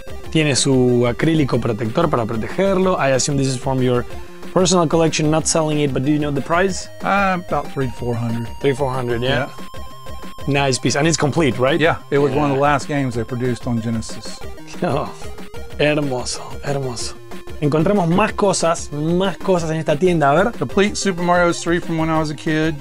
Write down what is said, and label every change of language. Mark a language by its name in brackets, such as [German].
[Spanish] Tiene su acrílico protector para protegerlo. [English] I assume this is from your personal collection, not selling it, but do you know the price? About $300-$400. $300-$400, yeah. Nice piece. And it's complete, right? Yeah. It was one of the last games they produced on Genesis. [Spanish] Oh. Hermoso, hermoso. Encontramos más cosas en esta tienda, a ver. [English] Complete Super Mario 3 from when I was a kid.